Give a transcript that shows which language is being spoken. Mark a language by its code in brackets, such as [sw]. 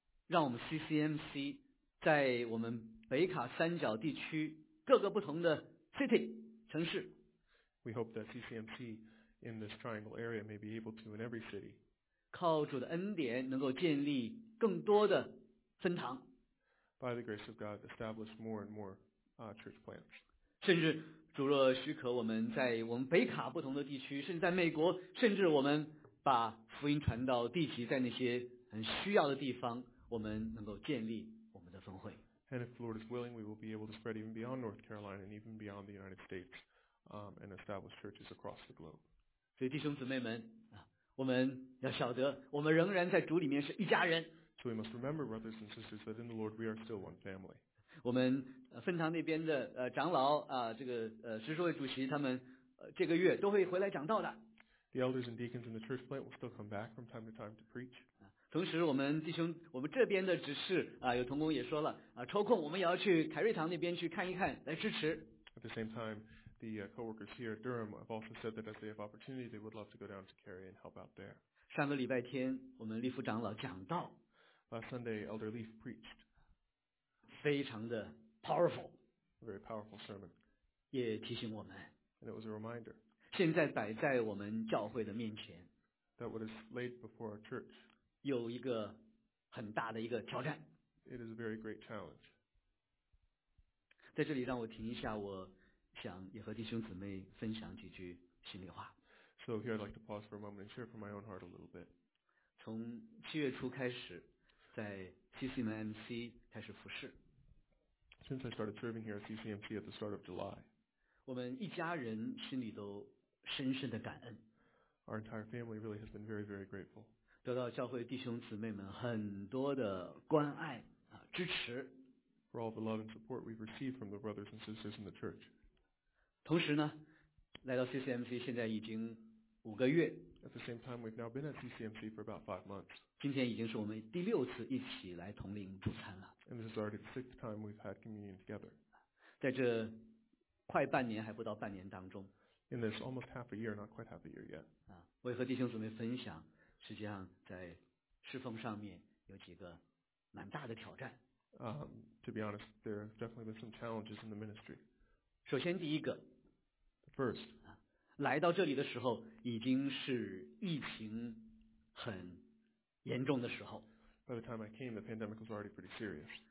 [zh] 让我们 CCMC。在我们北卡三角地区各个不同的 city 城市 [en] We hope that CCMC in this triangle area may be able to in every city [zh] 靠主的恩典能够建立更多的分堂 [en] By the grace of God establish more and more church plants [zh] 甚至主若许可我们在我们北卡不同的地区甚至在美国甚至我们把福音传到地级在那些很需要的地方我们能够建立 [en] And if the Lord is willing, we will be able to spread even beyond North Carolina and even beyond the United States, and establish churches across the globe. [zh] 所以弟兄姊妹们，我们要晓得，我们仍然在主里面是一家人。 [en] So we must remember, brothers and sisters, that in the Lord we are still one family. [zh] 我们分堂那边的长老啊，这个执事会主席他们这个月都会回来讲道的。 [en] The elders and deacons in the church plant will still come back from time to time to preach. [zh] 同时我们弟兄我们这边的执事啊，有同工也说了啊，抽空我们也要去凯瑞堂那边去看一看来支持。 [en] At the same time, the co-workers here at Durham have also said that if they have opportunity, they would love to go down to Cary and help out there. [zh] 上个礼拜天我们利夫长老讲道。 [en] Last Sunday, Elder Leaf preached. [zh] 非常的 [en] powerful. A very powerful sermon. [zh] 也提醒我们。 [en] And it was a reminder. [zh] 现在摆在我们教会的面前。 [en] That what is laid before our church. [zh] 有一个很大的一个挑战。 [en] It is a very great challenge. [zh] 在这里让我停一下，我想也和弟兄姊妹分享几句心里话。 [en] So here I'd like to pause for a moment and share from my own heart a little bit. [zh] 从七月初开始，在 CCMC 开始服事。 [en] Since I started serving here at CCMC at the start of July. [zh] 我们一家人心里都深深的感恩。 [en] Our entire family really has been very, very grateful. [zh] 得到教会弟兄姊妹们很多的关爱啊支持。 [en] For all the love and support we've received from the brothers and sisters in the church. [zh] 同时呢，来到 CCMC 现在已经五个月。 [en] At the same time, we've now been at CCMC for about 5 months. [zh] 今天已经是我们第六次一起来同领主餐了。 [en] And this is already the sixth time we've had communion together. [zh] 在这快半年还不到半年当中。 [en] In this almost half a year, not quite half a year yet. [zh] 啊，我也和弟兄姊妹分享。实际上在侍奉上面有几个蛮大的挑战。 [en] To be honest, there have definitely been some challenges in the ministry. [zh] 首先第一个。 [en] First. [zh] 来到这里的时候已经是疫情很严重的时候。 [en] By the time I came, the pandemic was already pretty serious.